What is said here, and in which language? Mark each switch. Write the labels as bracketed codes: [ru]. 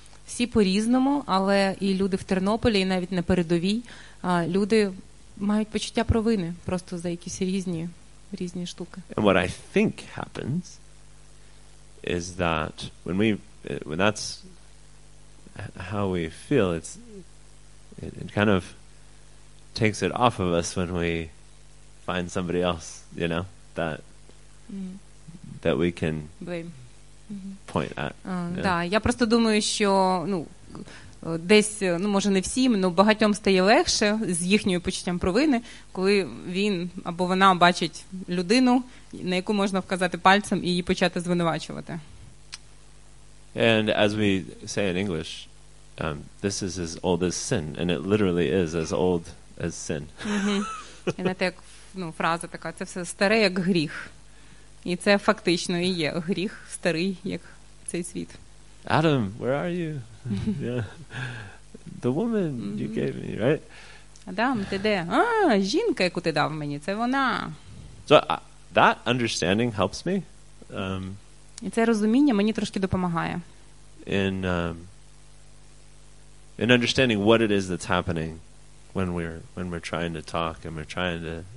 [uk] Всі по-різному, але і люди в Тернополі, і навіть на передовій, люди мають почуття провини просто за якісь різні штуки. [en] And what I think happens is that when that's how we feel, it kind of takes it off of us when we find somebody else, you know, that that we can blame. Mm-hmm. Point at. [uk] Я просто думаю, що, десь, може не всім, але багатьом стає легше з їхньою почуттям провини, коли він або вона бачить людину, на яку можна вказати пальцем і її почати звинувачувати. [en] And as we say in English, this is as old as sin, and it literally is as old as sin. Mm-hmm. [uk] Це як, фраза така, це все старе як гріх. І це фактично і є гріх старий, як цей світ. [en] Adam, where are you? Yeah. The woman you gave me, right? [uk] Адам, ти де? А, жінка, яку ти дав мені, це вона. [en] So that understanding helps me. [uk] І це розуміння мені трошки допомагає. [en] In understanding what it is that's happening when we're trying to talk and we're trying to,